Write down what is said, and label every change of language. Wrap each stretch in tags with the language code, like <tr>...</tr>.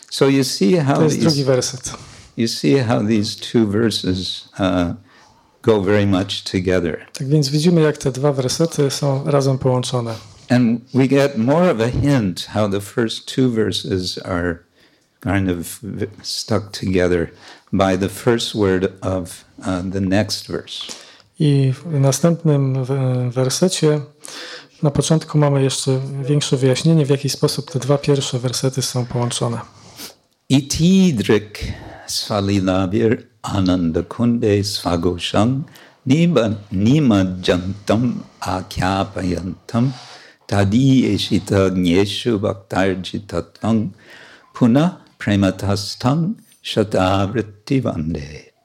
<en>So you see how these two verses go very much together.</en> <pl>Tak więc widzimy, jak te dwa wersety są razem połączone.</pl> <en>And we get more of a hint how the first two verses are kind of stuck together by the first word of the next verse.</en> <pl>I w następnym wersecie na początku mamy jeszcze większe wyjaśnienie, w jaki sposób te dwa pierwsze wersety są połączone.</pl> <sa>I tidrik svalilabir anandakunde svagosham nimajantam akyapayantam tadiyeshita gnyeshu bhaktarjitatvam puna prematastam shatavrittivande.</sa>